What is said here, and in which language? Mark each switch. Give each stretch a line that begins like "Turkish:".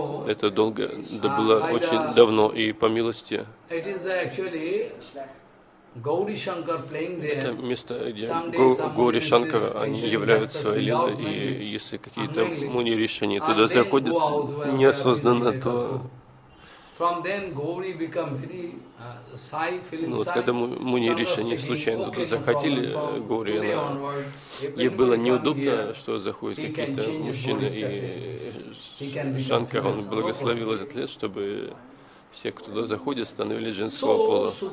Russian: Это долго, это было очень давно, и по милости. Это место, где Гоури Шанкар, они являются лилой, и если какие-то муни решения туда заходят неосознанно, то...
English: From then, Gauri become very shy, feeling shy.
Russian: Когда муни решения случайно туда заходили, Гоури, ей было неудобно, что заходят какие-то мужчины, и Шанкар, он благословил этот лес, чтобы все, кто туда заходит, становились женского пола.